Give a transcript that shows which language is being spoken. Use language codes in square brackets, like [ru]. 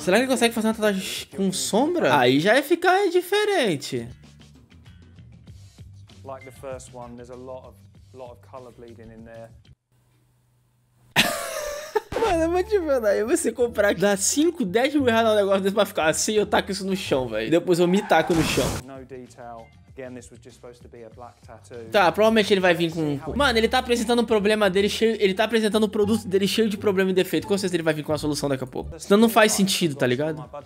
[pt] Será que ele consegue fazer uma tatuagem com sombra? Aí já ia ficar diferente. [en] Like the first one, there's a lot of color bleeding in there. [pt] Mano, mas tipo, aí você comprar, dá 5, 10 mil reais no negócio desse pra ficar assim, eu taco isso no chão, velho. Depois eu me taco no chão. [en] No detail. Again, this was just supposed to be a black tattoo. [pt] Tá, provavelmente ele vai vir com... Mano, ele tá apresentando um problema dele cheio... Ele tá apresentando o um produto dele cheio de problema e defeito. Com certeza ele vai vir com a solução daqui a pouco. Senão não faz sentido, tá ligado?